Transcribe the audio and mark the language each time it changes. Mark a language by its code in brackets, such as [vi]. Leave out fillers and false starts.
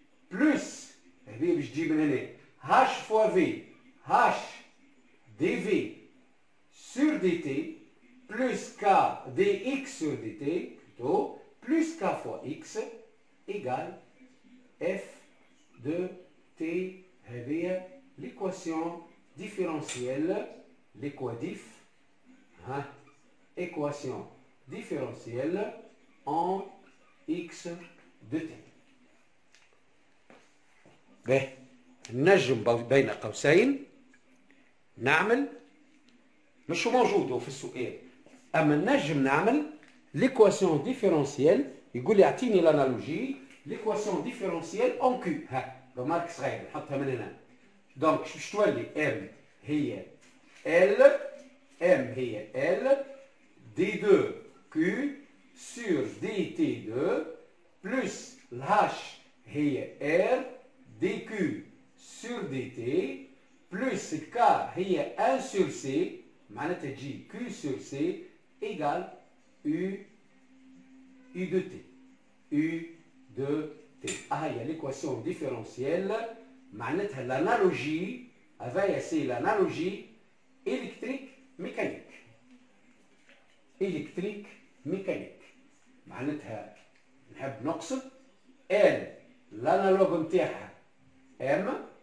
[fr] plus [ar] هذه باش تجيب من هنا [fr] H fois V H DV sur DT plus K DX sur DT plutôt plus K fois X égale F de T هذه l'équation différentielle, l'équadif, hein? Équation différentielle en x de t. [ar] Ben, نجم بين قوسين نعمل مش موجود في السؤال. أما نجم نعمل [fr] l'équation différentielle. [ar] يقول يعطيني [fr] l'analogie l'équation différentielle en q. [ar] ها, remarque صغيرة حطها من هنا. [fr] Donc, je vais choisir M, هي L, M, هي L, D2Q sur DT2, plus l'H, هي R, DQ sur DT, plus K, هي 1 sur C, [ar] معناتها تجي [fr] Q sur C, égale U, U de T. U de T. Ah, il y a l'équation différentielle. [ar] معناتها الانالوجي هذايا سي الانالوجي الكتريك ميكانيك الكتريك ميكانيك معناتها نحب نقصد ال الانالوج نتاعها ام